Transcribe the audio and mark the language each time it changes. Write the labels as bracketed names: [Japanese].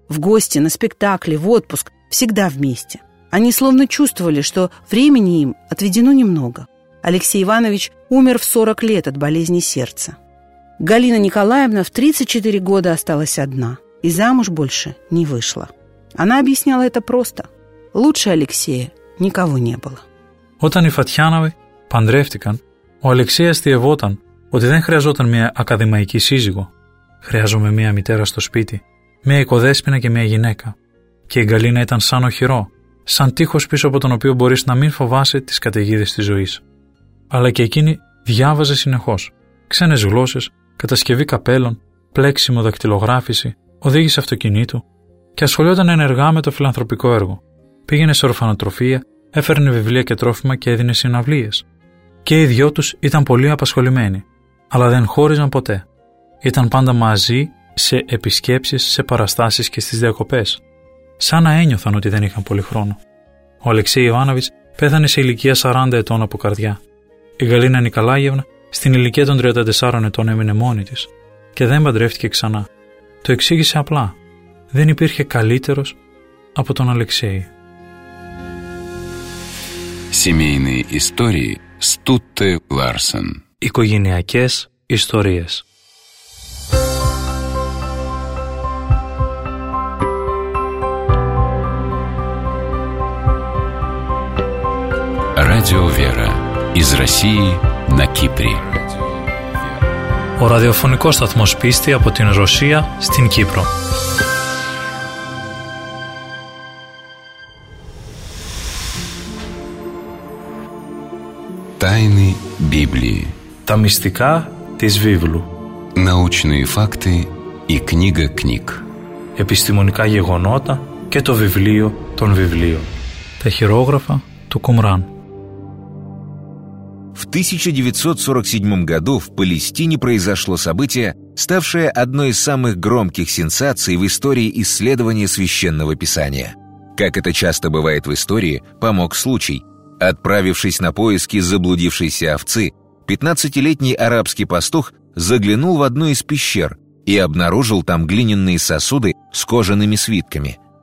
[Russian] В гости, на спектакли, в отпуск, всегда вместе. Они словно чувствовали, что времени им отведено немного. Алексей Иванович умер в 40 лет от болезни сердца. Галина Николаевна в 34 года осталась одна и замуж больше не вышла. Она объясняла это просто. Лучше Алексея никого не было. [Greek] Όταν οι Φατιάνοβοι παντρεύτηκαν, ο Αλεξέας διευόταν ότι δεν χρειαζόταν μια ακαδημαϊκή σύζυγο. Χρειάζομαι μια μητέρα στο σπίτι, μια οικοδέσποινα και μια γυναίκα. Και η Γκαλίνα ήταν σαν οχυρό, σαν τείχος πίσω από τον οποίο μπορείς να μην φοβάσαι τις καταιγίδες της ζωής. Αλλά και εκείνη διάβαζε συνεχώς. Ξένες γλώσσες, κατασκευή καπέλων, πλέξιμο δακτυλογράφηση, οδήγησε αυτοκινήτου και ασχολιόταν ενεργά με το φιλανθρωπικό έργο. Πήγαινε σε ορφανοτροφία, έφερνε βιβλία και τρόφιμα και έδινε συναυλίες. Και οι δυο τους ήταν πολύ απασχολημένοι, αλλά δεν χώριζαν ποτέ. Ήταν πάντα μαζί σε επισκέψεις, σε παραστάσεις και στις διακοπές. Σαν να ένιωθαν ότι δεν είχαν πολύ χρόνο. Ο Αλεξέη Ιωάννοβιτς πέθανε σε ηλικία 40 ετών από καρδιά. Η Γκαλίνα Νικολάγευνα στην ηλικία των 34 ετών έμεινε μόνη της και δεν παντρεύτηκε ξανά. Το εξήγησε απλά. Δεν υπήρχε καλύτερος από τον Αλεξέη. [Russian] Семейные истории Стутте Ларсен. [Greek] Οικογενειακές ιστορίες. [Russian] Радио Вера. Из России на Кипре. [Greek] Ο ραδιοφωνικός σταθμός πίστη από την Ρωσία στην Κύπρο. [Russian] Тайны Библии. [Greek] Та мистика тис Библу. [Russian] Научные факты и книга книг. [Greek] Эпистемоника гегонота και το βιβλίο των βιβλίων. Τα χειρόγραφα του Κουμράν. [Russian] В 1947 году в Палестине произошло событие, ставшее одной из самых громких сенсаций в истории исследования Священного Писания. Как это часто бывает в истории, помог случай. Отправившись на поиски заблудившейся овцы, 15-летний арабский пастух заглянул в одну из пещер и обнаружил там глиняные сосуды с кожаными свитками.